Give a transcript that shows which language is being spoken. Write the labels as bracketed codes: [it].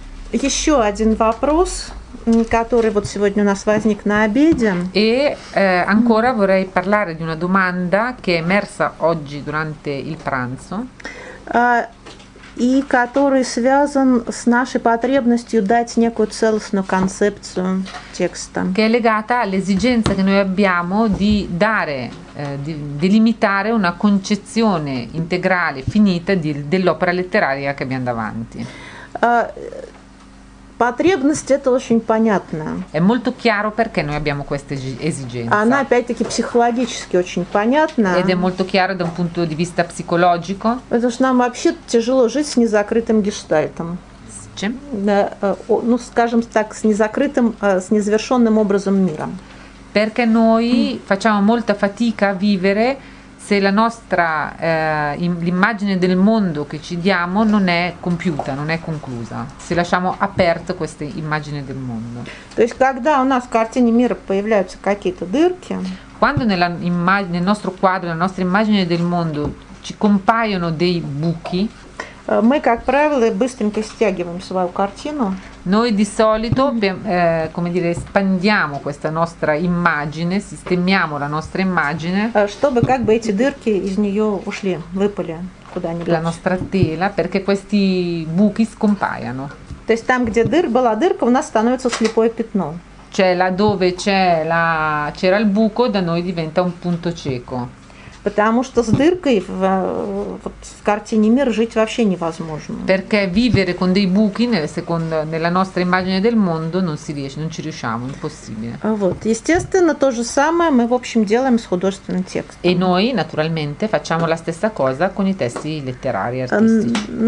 [ru] Еще один вопрос, который вот сегодня у нас возник на обеде. [it] E ancora vorrei parlare di una domanda che è emersa oggi durante il pranzo. [ru] И который связан с нашей потребностью дать некую целостную концепцию текста. [it] Che è legata all'esigenza che noi abbiamo di dare, di delimitare una concezione integrale, finita dell'opera letteraria che abbiamo davanti. [ru] Потребность это очень понятная. [it] È molto chiaro perché noi abbiamo questa esigenza. [ru] Она опять-таки психологически очень понятна. [it] Ed è molto chiaro da un punto di vista psicologico. [ru] Потому что нам вообще тяжело жить с незакрытым гештальтом. С чем? Ну, скажем так, с незакрытым, с незавершенным образом мира. [it] Perché noi facciamo molta fatica a vivere se la nostra l'immagine del mondo che ci diamo non è compiuta, non è conclusa, se lasciamo aperta questa immagine del mondo. [ru] То есть когда у нас в картине мира появляются какие-то дырки, [it] quando nella nel nostro quadro, nella nostra immagine del mondo ci compaiono dei buchi, [ru] мы как правило быстренько стягиваем свою картину. [it] Noi di solito come dire espandiamo questa nostra immagine, sistemiamo la nostra immagine. [ru] Чтобы как бы эти дырки из нее ушли, выпали куда-нибудь. [it] La nostra tela, perché questi buchi scompaiano. [ru] То есть там, где была дырка, у нас становится слепое пятно. [it] Cioè laddove c'era il buco, da noi diventa un punto cieco. [ru] Потому что с дыркой в картине мира жить вообще невозможно. [it] Perché vivere con dei buchi nella nostra immagine del mondo non si riesce, non ci riusciamo, impossibile. [ru] Вот, естественно, то же самое мы в общем делаем с художественным текстом. [it] E noi naturalmente facciamo la stessa cosa con i testi letterari artistici.